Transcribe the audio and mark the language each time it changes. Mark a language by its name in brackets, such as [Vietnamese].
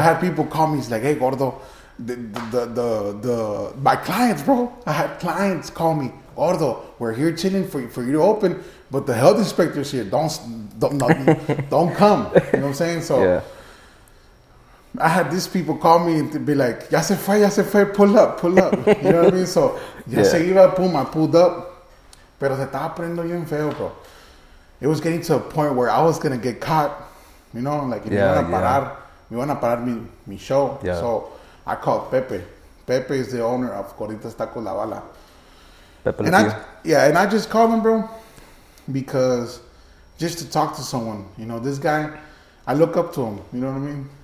[English] I had people call me. He's like, "Hey, gordo, my clients, bro. I had clients call me, gordo. We're here chilling for you to open, but the health inspector's here. Don't come. You know what I'm saying? So yeah. I had these people call me and be like, [Spanish] ya se fue, [English] pull up. You know what I mean? So I pulled up, [Spanish] pero se estaba poniendo bien feo, bro. [English] It was getting to a point where I was going to get caught, you know, like, [Spanish] me van a parar mi show. [English] Yeah. So I called Pepe. Pepe is the owner of Gorditas Taco La Bala. Pepe, and I just called him, bro, because just to talk to someone, you know, this guy, I look up to him, you know what I mean?